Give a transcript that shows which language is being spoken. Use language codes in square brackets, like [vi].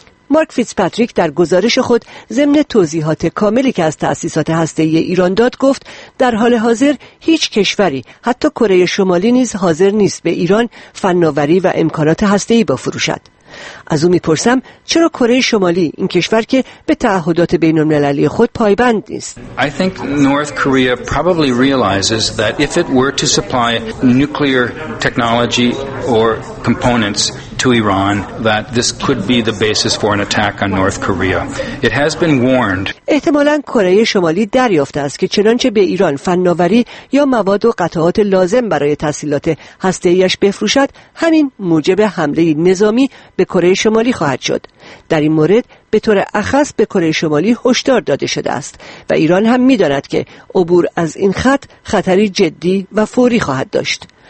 [fa] مارک فیتزپاتریک در گزارش خود ضمن توضیحات کاملی که از تأسیسات هسته‌ای ایران داد گفت در حال حاضر هیچ کشوری حتی کره شمالی نیز حاضر نیست به ایران فناوری و امکانات هسته‌ای بفروشد. از او می‌پرسم چرا کره شمالی این کشور که به تعهدات بین‌المللی خود پایبند نیست؟ [en] I think North Korea probably realizes that if it were to supply nuclear technology or components to Iran that this could be the basis for an attack on North Korea. It has been warned. [fa] احتمالاً کره شمالی دریافته است که چنانچه به ایران فناوری یا مواد و قطعات لازم برای تسهیلات هسته‌ایش بفروشد، همین موجب حمله نظامی به کره شمالی خواهد شد. در این مورد به طور اخص به کره شمالی هشدار داده شده است و ایران هم می‌داند که عبور از این خط خطری جدی و فوری خواهد داشت.